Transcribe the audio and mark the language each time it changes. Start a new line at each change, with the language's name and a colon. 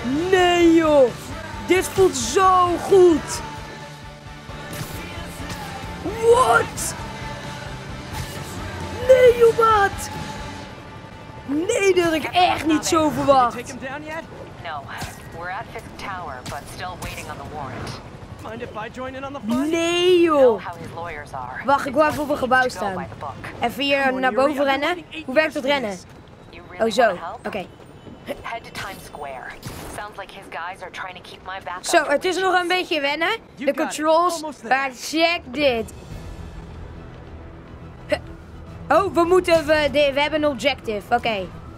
Dutch: Nee joh. Dit voelt zo goed.
English: What?
Dutch: Nee, joh, maat. Nee, dat had ik echt niet zo verwacht.
English: Take him down yet? No, we're at Fisk Tower, but still waiting on the warrant. Mind if I join in on the fun?
Dutch: Nee, joh. Wacht, ik wil even op een gebouw staan. Even hier naar boven rennen. Hoe werkt het rennen? Oh, zo. Oké.
English: Head to Times Square. Sounds like his guys are trying to keep my back.
Dutch: Zo, het is nog een beetje wennen. De controls. Maar check dit. Oh, we hebben een objective. Oké. Okay.